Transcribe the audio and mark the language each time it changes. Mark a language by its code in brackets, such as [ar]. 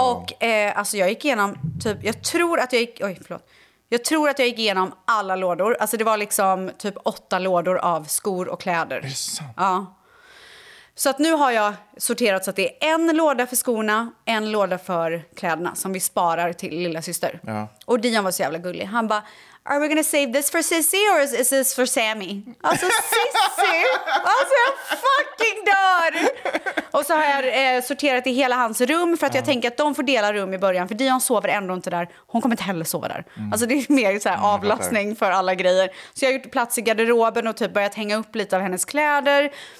[sv] Och alltså, jag gick igenom, typ, jag tror att jag gick... Oj, förlåt. Jag tror att jag gick igenom alla lådor. Alltså det var liksom typ 8 lådor av skor och kläder. Det är sant. Ja. Så att nu har jag sorterat så att det är en låda för skorna, en låda för kläderna som vi sparar till lilla syster. Ja. Och Dion var så jävla gullig. Han bara, [en] are we gonna save this for Sissy or is this for Sammy? [sv] Alltså Sissy! Alltså jag fucking dör! Och så har jag sorterat i hela hans rum för att jag tänker att de får dela rum i början. För Dion sover ändå inte där. Hon kommer inte heller sova där. Mm. Alltså det är mer så här avlastning för alla grejer. Så jag har gjort plats i garderoben och typ börjat hänga upp lite av hennes kläder.